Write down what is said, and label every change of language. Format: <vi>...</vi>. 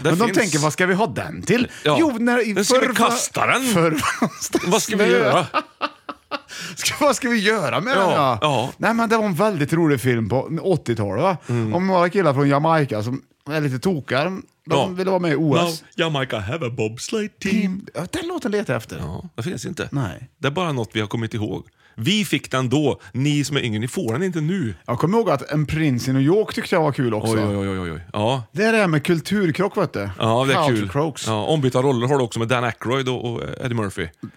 <sv>men de tänker, vad ska vi ha den till? Ja. Jo, ska vi kasta den? Vad ska vi göra? Vad ska vi göra med den? Ja. Nej, men det var en väldigt rolig film på 80-talet, va? Mm. Om några killar från Jamaica som är lite tokar. De ville vara med i OS.</sv> <en>Now, Jamaica have a bobsleigh team.</en> <sv>Den låten letar efter. Ja, det finns inte. Nej. Det är bara något vi har kommit ihåg. Vi fick den då, ni som är yngre, ni får den inte nu. Jag kommer ihåg att En prins i New York tyckte jag var kul också. Oj. Ja. Det är det med kulturkrock, vet du. Ja, det är kul. Crocs. Ja, ombytta roller har du också med Dan Aykroyd och Eddie Murphy.</sv>